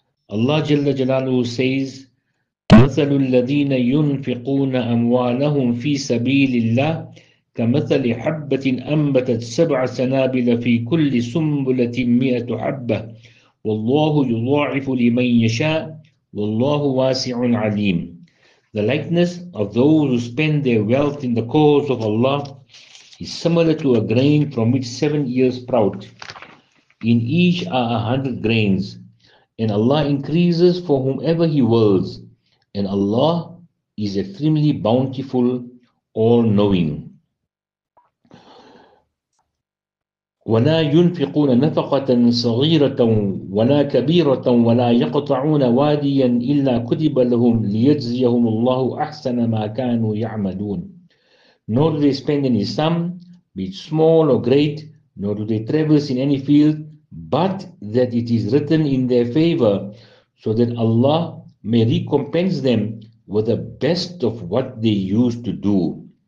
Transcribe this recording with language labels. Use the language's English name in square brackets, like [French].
[Arabic] Allah Jalla Jalaluhu says, "مَثَلُ الَّذِينَ يُنفِقُونَ أَمْوَالَهُمْ فِي سَبِيلِ اللَّهِ كمثل حبة أنبتت 7 سنابل في كل سنبلة 100 حبة والله يضاعف لمن يشاء والله واسع عليم." [English] The likeness of those who spend their wealth in the cause of Allah is similar to a grain from which 7 ears sprout. In each are 100 grains, and Allah increases for whomever He wills, and Allah is extremely bountiful, all-knowing. [Arabic] ولا ينفقون نفقة صغيرة ولا كبيرة ولا يقطعون واديا إلا كتب لهم ليجزيهم الله أحسن ما كانوا يعملون. [English] Nor do they spend any sum, be it small or great, nor do they traverse in any field, but that it is written in their favor, so that Allah may recompense them with the best of what they used to do.